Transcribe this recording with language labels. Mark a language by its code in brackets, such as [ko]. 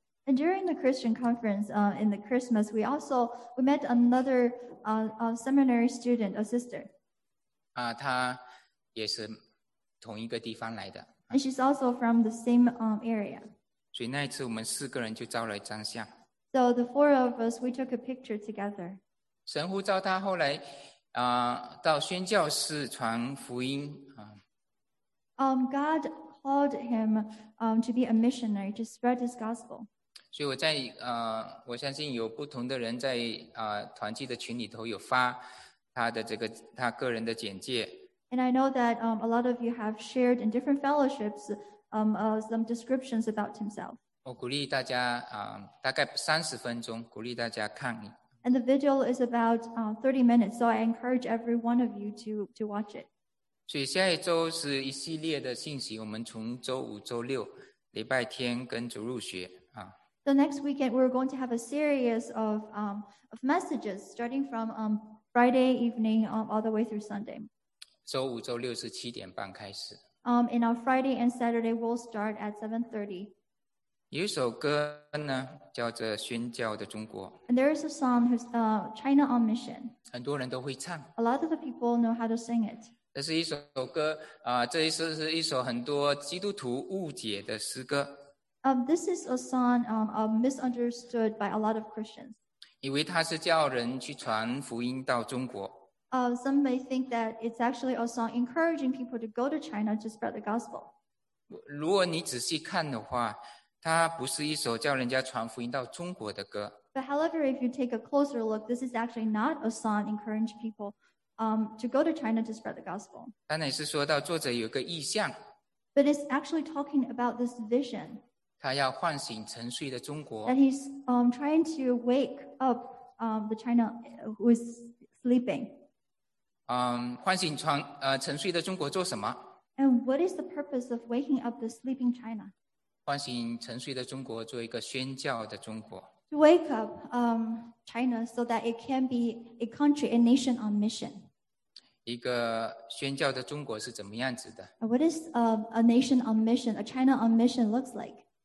[en] And during the Christian conference, in the Christmas, we met another seminary student, a sister. [zh] 她也是同一个地方来的。 [en] And she's also from the same area. [zh] 所以那一次我们四个人就照了一张相。 [en] So the four of us, we took a picture together. [zh] 神呼召他后来到宣教士传福音。 [en] God called him to be a missionary, to spread his gospel. [zh] 所以我相信有不同的人在团契的群里头有发他的这个他个人的简介。 [en] And I know that a lot of you have shared in different fellowships,some descriptions about himself. [zh] 我鼓励大家大概30分钟鼓励大家看。 [en] And the video is about 30 minutes, so I encourage every one of you to watch it. [zh] 所以下一周是一系列的信息，我们从周五、周六、礼拜天跟主入学。 [en] The next weekend, we're going to have a series of messages starting from Friday evening all the way through Sunday. [zh] 周五、周六是七点半开始。 [en] And on Friday and Saturday, we'll start at 7:30. [zh] 有一首歌呢，叫做《宣教的中国》。 [en] And there is a song who's China on Mission. [zh] 很多人都会唱。 [en] A lot of the people know how to sing it. [zh] 这是一首歌这是一首很多基督徒误解的诗歌。 [en] This is a song misunderstood by a lot of Christians. [zh] 以为它是叫人去传福音到中国。 [en] Some may think that it's actually a song encouraging people to go to China to spread the gospel. [zh] 如果你仔细看的话，它不是一首叫人家传福音到中国的歌。 [en] But however, if you take a closer look, this is actually not a song encouraging people to go to China to spread the gospel. [zh] 当然是说到作者有个意象。 [en] But it's actually talking about this vision. [zh] 他要唤醒沉睡的中国。 [en] And he's trying to wake up the China who is sleeping. [zh] 唤醒沉睡的中国做什么？ [en] And what is the purpose of waking up the sleeping China? [zh] 唤醒沉睡的中国做一个宣教的中国。 [en] To wake up China so that it can be a country, a nation on mission. [zh] 一个宣教的中国是怎么样子的 [en] ？What is a nation on mission, a China on mission looks like？